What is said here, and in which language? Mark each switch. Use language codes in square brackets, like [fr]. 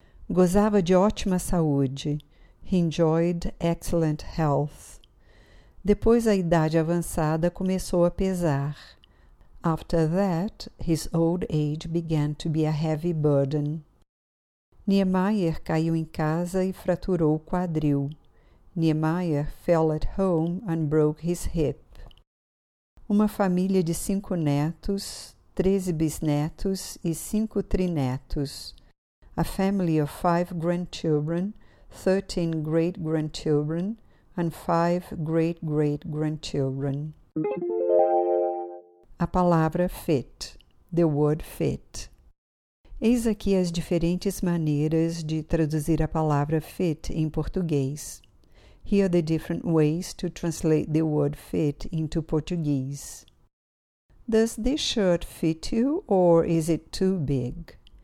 [pt] Gozava de ótima saúde. [en] He enjoyed excellent health. [pt] Depois, a idade avançada começou a pesar. [en] After that, his old age began to be a heavy burden. [pt] Niemeyer caiu em casa e fraturou o quadril. [en] Niemeyer fell at home and broke his hip. [pt] Uma família de 5 netos, 13 bisnetos e 5 trinetos. [en] A family of 5 grandchildren, 13 great-grandchildren and 5 great-great-grandchildren. [pt] A palavra fit, [en] the word fit. [pt] Eis aqui as diferentes maneiras de traduzir a palavra fit em português. [en] Here are the different ways to translate the word fit into Portuguese. Does this shirt fit you or is it too big?